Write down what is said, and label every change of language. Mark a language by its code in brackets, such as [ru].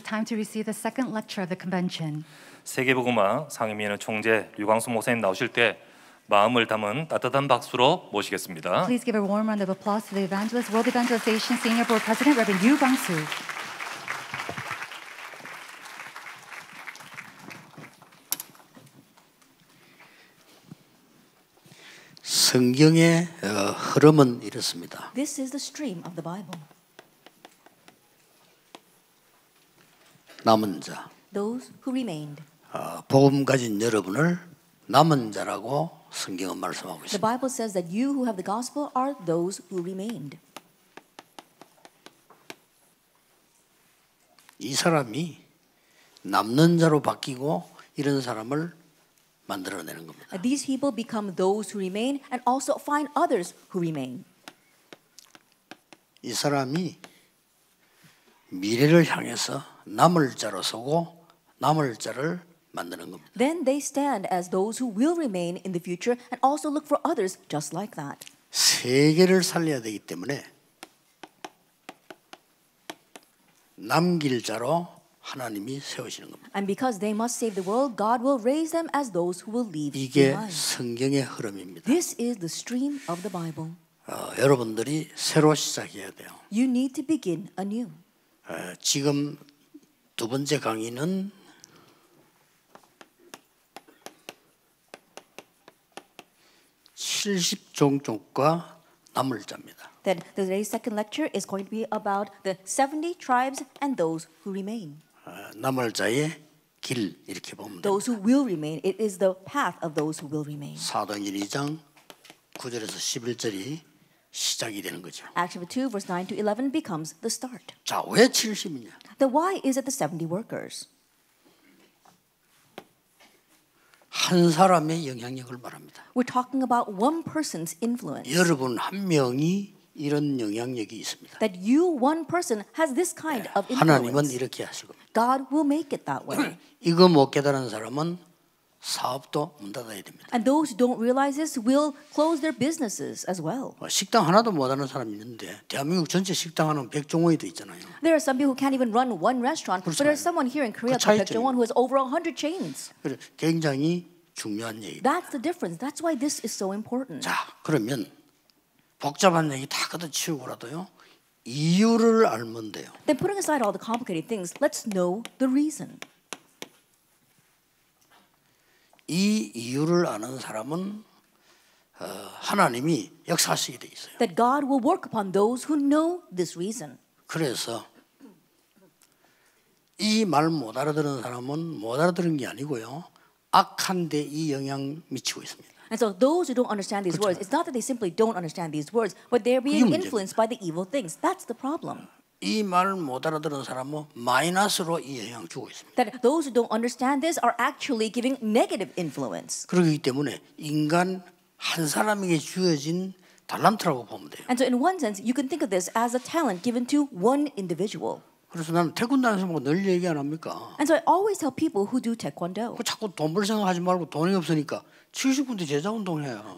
[en] time to receive the second lecture of the convention. [ko] 세계복음화 상임위원회 총재 유광수 목사님 나오실 때 마음을 담은 따뜻한 박수로 모시겠습니다. [en] Please give a warm round of applause to the evangelist, World Evangelization Senior Board President, Reverend Yu Gwang-su. [ko] 성경의 흐름은 이렇습니다. [en] This is the stream of the Bible. [ko] 남은 자. [en] Those who remained. [ko] 복음 가진 여러분을 남은 자라고 성경은 말씀하고 있습니다. [en] The Bible says that you who have the gospel are those who remained. [ko] 이 사람이 남는 자로 바뀌고 이런 사람을 만들어내는 겁니다. [en] These people become those who remain and also find others who remain. [ko] 이 사람이 미래를 향해서 남을 자로 서고 남을 자를 만드는 겁니다. [en] Then they stand as those who will remain in the future and also look for others just like that. [ko] 세계를 살려야 되기 때문에 남길 자로 하나님이 세우시는 겁니다. [en] And because they must save the world, God will raise them as those who will leave behind. [ko] 이게 성경의 흐름입니다. [en] This is the stream of the Bible. [ko] 여러분들이 새로 시작해야 돼요. [en] You need to begin anew. [ko] 지금 두 번째 강의는 70종족과 남을 자입니다. [en] Then the today's second lecture is going to be about the 70 tribes and those who remain. [ko] 남을 자의 길 이렇게 보면 됩니다. [en] Those who will remain, it is the path of those who will remain. [ko] 사도행전 2장 9절에서 11절이 시작이 되는 거죠. [en] Acts 2 verse 9 to 11 becomes the start. [ko] 자, 왜 70이냐? [en] The why is it the 70 workers? [ko] 한 사람의 영향력을 말합니다. [en] We're talking about one person's influence. [ko] 여러분 한 명이 이런 영향력이 있습니다. [en] That you one person has this kind of influence. [ko] 하나님은 이렇게 하시고. [en] God will make it that way. [ko] 이거 못 깨달은 사람은 사업도 문 닫아야 됩니다. [en] And those who don't realize this will close their businesses as well. [ko] 식당 하나도 못 하는 사람 있는데 대한민국 전체 식당 하는 100종원이도 있잖아요. [en] There are some people who can't even run one restaurant, [ko] 그렇잖아요. [en] But there is someone here in Korea, 그 100종원, who has over 100 chains. [ko] 굉장히 중요한 얘기입니다. [en] That's the difference. That's why this is so important. [ko] 자, 그러면 복잡한 얘기 다 걷어치우고라도요. 이유를 알면 돼요. [en] Then putting aside all the complicated things, let's know the reason. [ko] 이 이유를 아는 사람은 하나님이 역사하시게 돼 있어요. [en] That God will work upon those who know this reason. [ko] 그래서 이 말 못 알아들은 사람은 못 알아들은 게 아니고요. 악한 데 이 영향 미치고 있습니다. [en] And so those who don't understand these [ko] 그렇죠. [en] words, it's not that they simply don't understand these words, but they're being influenced by the evil things. That's the problem. [ko] 이 말 못 알아들은 사람은 마이너스로 이 영향 주고 있습니다. [en] That those who don't understand this are actually giving negative influence. [ko] 그렇기 때문에 인간 한 사람에게 주어진 달란트라고 보면 돼요. [en] And so in one sense, you can think of this as a talent given to one individual. [ko] 그래서 나는 태권도에서 뭐 늘 얘기 안 합니까? [en] And so I always tell people who do taekwondo. [ko] 그 자꾸 돈 벌 생각하지 말고 돈이 없으니까 70군데 제자 운동해요.